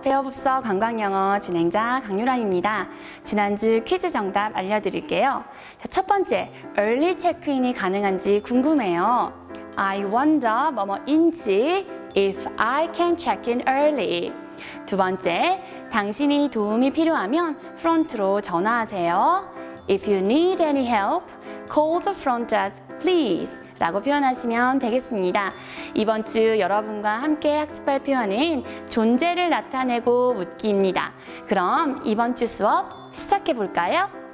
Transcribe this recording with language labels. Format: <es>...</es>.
<ko>배어법서 관광영어 진행자 강유람입니다. 지난주 퀴즈 정답 알려드릴게요. 자, 첫 번째, early check-in이 가능한지 궁금해요.</ko> <en>I wonder</en> <ko>뭐뭐인지</ko> <en>if I can check in early.</en> <ko>두 번째, 당신이 도움이 필요하면 프론트로 전화하세요.</ko> <en>If you need any help, call the front desk, please.</en> <ko>라고 표현하시면 되겠습니다. 이번 주 여러분과 함께 학습할 표현은 존재를 나타내고 묻기입니다. 그럼 이번 주 수업 시작해 볼까요?</ko>